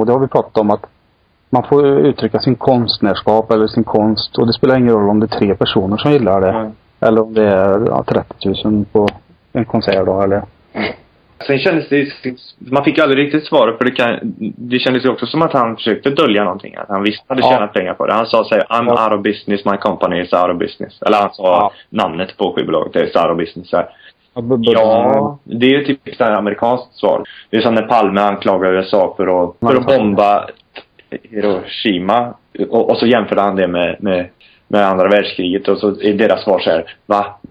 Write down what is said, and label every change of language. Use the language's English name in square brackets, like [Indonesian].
[Swedish] Och det har vi pratat om, att man får uttrycka sin konstnärskap eller sin konst. Och det spelar ingen roll om det är 3 personer som gillar det. Ja. Eller om det är 30 000 på en konsert då, eller... Sen kändes det, man fick aldrig riktigt svar, för det kändes ju också som att han försökte dölja någonting, att han visst hade tjänat pengar på det. Han sa såhär, [English] I'm out of business, my company is out of business. [Swedish] Eller han sa namnet på skivbolaget, det är [English] out of business. [Swedish] Ja, det är ju typiskt ett amerikanskt svar. Det är som när Palme anklagade USA för att bomba Hiroshima, och så jämförde han det med andra världskriget, och så är deras svar såhär, va?